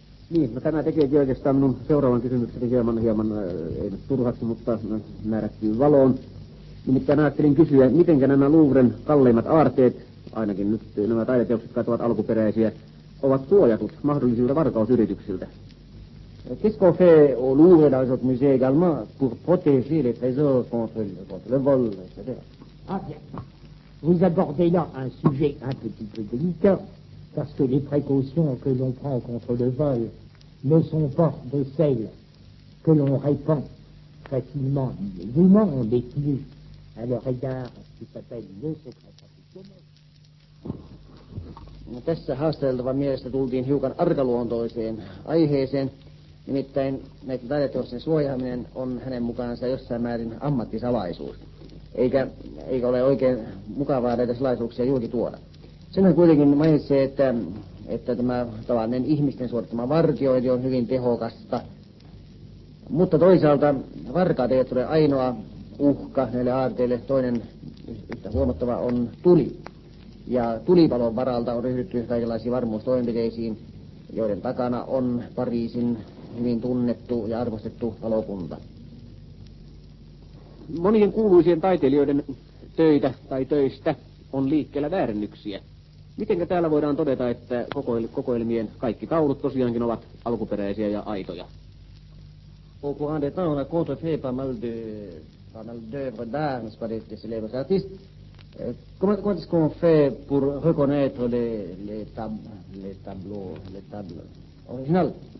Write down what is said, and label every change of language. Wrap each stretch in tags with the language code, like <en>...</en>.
<fi>Niin, no tämä tekee oikeastaan minun seuraavan kysymykseni hieman ei nyt turhaksi, mutta määrättyy valoon. Nimittäin ajattelin kysyä, miten nämä Louvren kalleimmat aarteet, ainakin nyt nämä taideteokset, jotka ovat alkuperäisiä, ovat suojatut mahdollisilta varkausyrityksiltä.</fi> <fr>Qu'est-ce qu'on fait au Louvre et dans les autres musées également pour protéger les trésors contre le vol, etc. Ah bien, vous abordez là un sujet un petit peu délicat, parce que les précautions que l'on prend contre le vol ne sont pas de celles que l'on répand facilement, évidemment, on détient à leur égard ce qui s'appelle le secret professionnel.</fr> <fi>Tässä haastateltava mielestä tultiin hiukan arkaluontoiseen aiheeseen. Nimittäin näiden taideteosten suojaaminen on hänen mukaansa jossain määrin ammattisalaisuus, eikä ole oikein mukavaa näitä salaisuuksia julki tuoda. Sen hän kuitenkin mainitsee, että tämä tavallinen ihmisten suorittama vartiointi on hyvin tehokasta. Mutta toisaalta varkaat eivät ole ainoa uhka näille aarteille. Toinen yhtä huomattava on tuli. Ja tulipalon varalta on ryhdytty kaikenlaisiin varmuustoimenpiteisiin, joiden takana on Pariisin hyvin tunnettu ja arvostettu palokunta. Monien kuuluisien taiteilijoiden töitä tai töistä on liikkeellä väärennyksiä. Mitenkä täällä voidaan todeta, että kokoelmien kaikki taulut tosiaankin ovat alkuperäisiä ja aitoja?</fi> <fr>Au courant des temps, on a contrefait pas mal d'œuvres d'art, n'est-ce pas, des célèbres artistes. Comment est-ce qu'on fait pour reconnaître les tableaux originales?</fr>